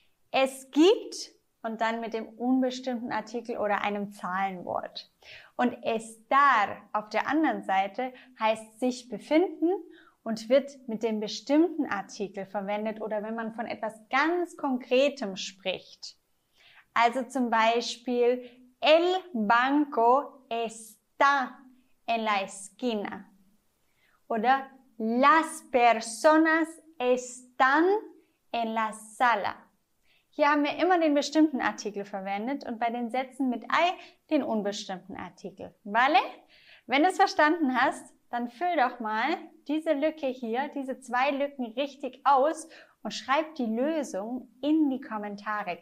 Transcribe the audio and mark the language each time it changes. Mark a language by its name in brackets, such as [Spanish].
[German] Es gibt und dann mit dem unbestimmten Artikel oder einem Zahlenwort. Und estar auf der anderen Seite heißt sich befinden und wird mit dem bestimmten Artikel verwendet oder wenn man von etwas ganz Konkretem spricht. Also zum Beispiel, [Spanish] el banco está en la esquina. Oder las personas están en la sala. [German] Hier haben wir immer den bestimmten Artikel verwendet und bei den Sätzen mit I den unbestimmten Artikel. Vale? Wenn du es verstanden hast, dann füll doch mal diese Lücke hier, diese 2 Lücken richtig aus und schreib die Lösung in die Kommentare.